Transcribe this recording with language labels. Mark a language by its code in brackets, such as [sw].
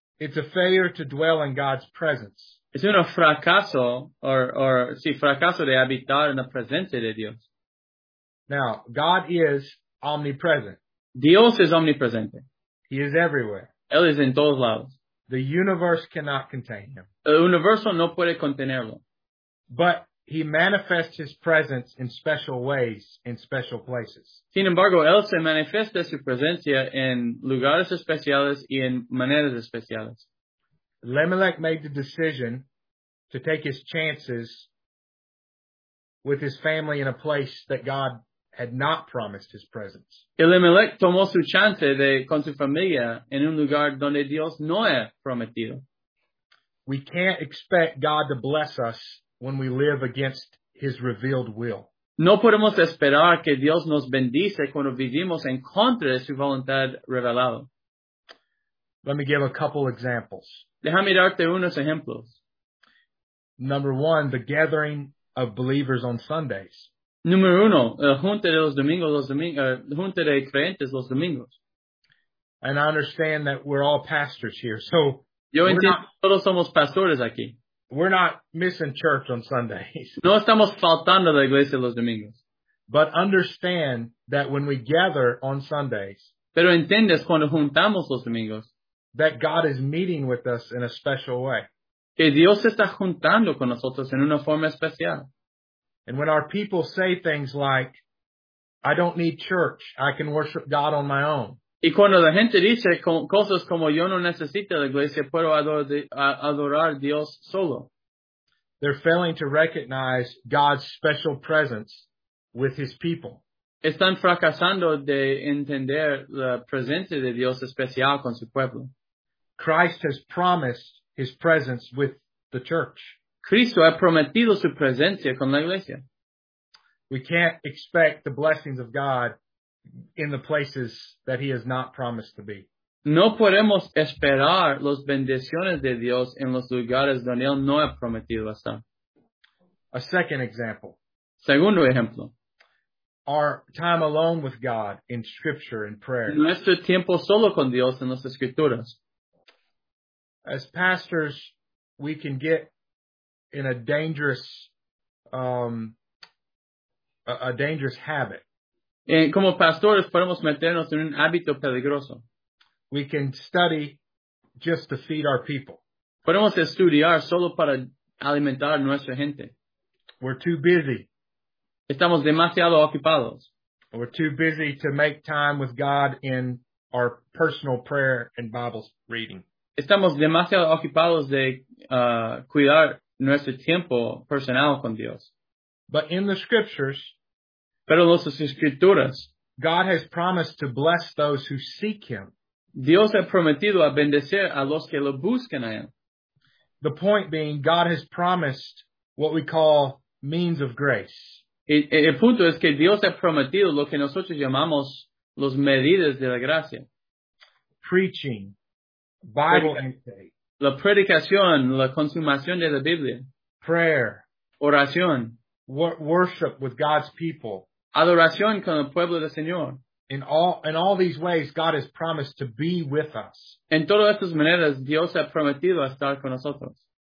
[en] It's a failure to dwell in God's presence. [es] Es un fracaso, fracaso de habitar en la presencia de Dios. [en] Now, God is omnipresent. [es] Dios es omnipresente. [en] He is everywhere. [es] Él es en todos lados. [en] The universe cannot contain him. [es] El universo no puede contenerlo. [en] But he manifests his presence in special ways, in special places. [es] Sin embargo, él se manifiesta su presencia en lugares especiales y en maneras especiales. [en] Elimelech made the decision to take his chances with his family in a place that God had not promised his presence. [es] Elimelech tomó su chance con su familia en un lugar donde Dios no ha prometido. [en] We can't expect God to bless us when we live against his revealed will. [es] No podemos esperar que Dios nos bendice cuando vivimos en contra de su voluntad revelada. [en] Let me give a couple examples. [es] Déjame darte unos ejemplos. [en] Number one, the gathering of believers on Sundays. [es] Número uno, la junta de los domingos, junta de creyentes los domingos. [en] And I understand that we're all pastors here, so [es] yo entiendo, todos somos pastores aquí. [en] We're not missing church on Sundays. [es] No estamos faltando la iglesia los domingos. [en] But understand that when we gather on Sundays, [es] pero entiendes cuando juntamos los domingos, [en] that God is meeting with us in a special way. [es] Que Dios está juntando con nosotros en una forma especial. [en] And when our people say things like, I don't need church, I can worship God on my own. [es] Y cuando la gente dice cosas como yo no necesito la iglesia, puedo adorar Dios solo. [en] They're failing to recognize God's special presence with his people. [es] Están fracasando de entender la presencia de Dios especial con su pueblo. [en] Christ has promised his presence with the church. [es] Cristo ha prometido su presencia con la iglesia. [en] We can't expect the blessings of God in the places that he has not promised to be. [es] No podemos esperar las bendiciones de Dios en los lugares donde él no ha prometido estar. [en] A second example. [es] Segundo ejemplo. [en] Our time alone with God in scripture and prayer. [es] Nuestro tiempo solo con Dios en las escrituras. [en] As pastors, we can get in a dangerous habit. [es] Como pastores podemos meternos en un hábito peligroso. [en] We can study just to feed our people. [es] Podemos estudiar solo para alimentar nuestra gente. [en] We're too busy. [es] Estamos demasiado ocupados. [en] We're too busy to make time with God in our personal prayer and Bible reading. [es] Estamos demasiado ocupados de cuidar nuestro tiempo personal con Dios. [en] But in the scriptures, [es] pero en las escrituras, [en] God has promised to bless those who seek him. [es] Dios ha prometido a bendecir a los que lo buscan a él. [en] The point being, God has promised what we call means of grace. [es] El punto es que Dios ha prometido lo que nosotros llamamos los medidas de la gracia. [en] Preaching, Bible intake. [es] La predicación, la consumación de la Biblia. [en] Prayer. [es] Oración. [en] Worship with God's people. [es] Adoración con el pueblo del Señor. [en] In all these ways, God has promised to be with us. [es] En todas estas maneras, Dios ha prometido estar con nosotros.